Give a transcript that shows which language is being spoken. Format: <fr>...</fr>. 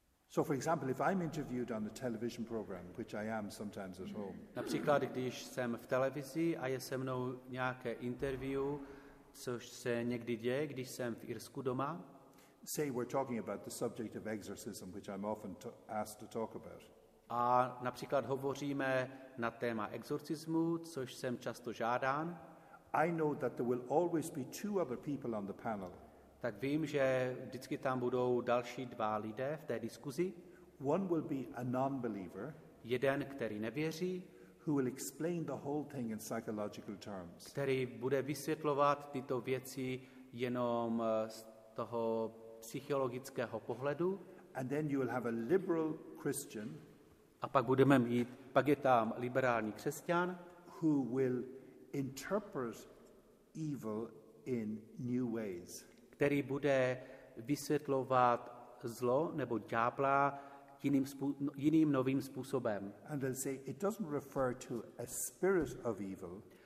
<en>So for example, if I'm interviewed on a television program, which I am sometimes at home.</en> <cs>Například, když jsem v televizi a je se mnou nějaké interview, což se někdy děje, když jsem v Irsku doma.</cs> <en>Say we're talking about the subject of exorcism, which I'm often asked to talk about.</en> <cs>A například hovoříme na téma exorcismu, což jsem často žádán.</cs> <en>I know that there will always be two other people on the panel.</en> <cs>Tak vím, že vždycky tam budou další dva lidé v té diskuzi.</cs> <en>One will be a non-believer,</en> <cs>jeden, který nevěří,</cs> <en>who will explain the whole thing in psychological terms.</en> <cs>Který bude vysvětlovat tyto věci jenom z toho psychologického pohledu.</cs> <en>And then you will have a liberal Christian.</en> <cs>A pak budeme mít, pak je tam liberální křesťan,</cs> <en>who will interpret evil in new ways.</en> <cs>Který bude vysvětlovat zlo nebo ďábla jiným novým způsobem.</cs> <en>And they'll say it doesn't refer to a spirit of evil.</en>